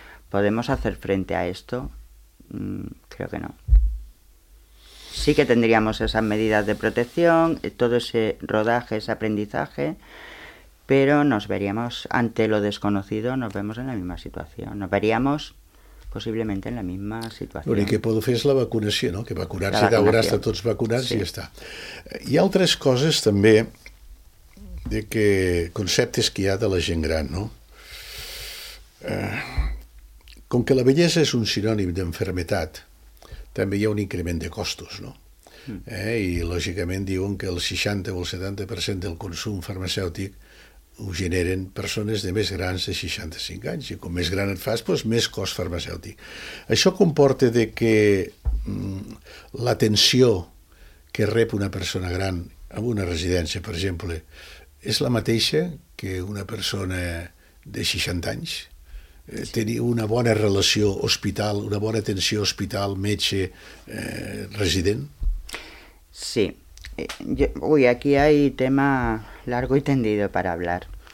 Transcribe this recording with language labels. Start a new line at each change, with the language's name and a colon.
Spanish: ¿Podemos hacer frente a esto? Creo que no. Sí que tendríamos esas medidas de protección, todo ese rodaje, ese aprendizaje, pero nos veríamos ante lo desconocido, nos vemos en la misma situación. Nos veríamos
Catalan: possiblement
Spanish: en la misma
Catalan: situació. L'únic que podeu fer és la vacunació, no? Que vacunar-se, d'haurà estat tots vacunats, sí. I ja està. Hi ha altres coses, també, de que conceptes que hi ha de la gent gran, no? Com que la vellesa és un sinònim d'enfermetat, també hi ha un increment de costos, no? I, lògicament, diuen que el 60 o el 70% del consum farmacèutic ho generen persones de més grans de 65 anys, i com més gran et fas, doncs més cost farmacèutic. Això comporta de que l'atenció que rep una persona gran en una residència, per exemple, és la mateixa que una persona de 60 anys? Tenir una bona relació hospital, una bona atenció hospital, metge, resident? Sí.
Spanish: Uy, aquí hay tema largo y tendido para hablar.